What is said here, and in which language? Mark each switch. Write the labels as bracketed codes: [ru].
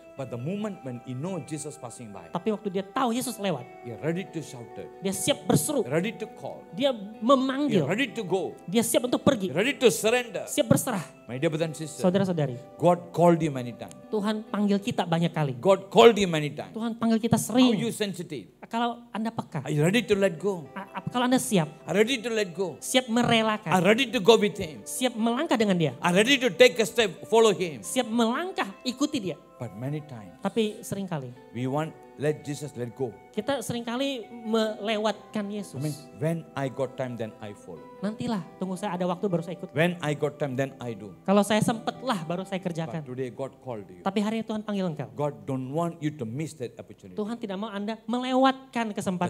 [en] But the moment when he know Jesus passing by. [id] Tapi waktu dia tahu Yesus lewat. [en] He ready to shout. [id] Dia siap berseru. [en] Ready to call. [id] Dia memanggil. [en] He ready to go. [id] Dia siap untuk pergi. [en] Ready to surrender. [id] Siap berserah. [en] My dear brothers and sisters. [id] Saudara-saudari. [en] God called you many times. [id] Tuhan panggil kita banyak kali. [en] God called you many times. [id] Tuhan panggil kita sering. [en] How you sensitive? [id] Kalau Anda peka. [en] Are you ready to let go? [id] Kalau Anda siap. [en] Are ready to let go? [id] Siap merelakan. [en] Are ready to go with him? [id] Siap melangkah dengan dia. [en] Are ready to take a step, follow him? [id] Siap melangkah, ikuti dia. [en] But many times. [id] Tapi seringkali. [en] We want let Jesus let go. [id] Kita seringkali melewatkan Yesus. [en] I mean, when I got time then I follow. [id] Nantilah, tunggu saya ada waktu baru saya ikut. [en] When I got time then I do. [id] Kalau saya sempatlah baru saya kerjakan. [en] But today God called you. [id] Tapi hari ini Tuhan panggil engkau. [en] God don't want you to miss that opportunity. [id] Tuhan tidak mau Anda melewatkan kesempatan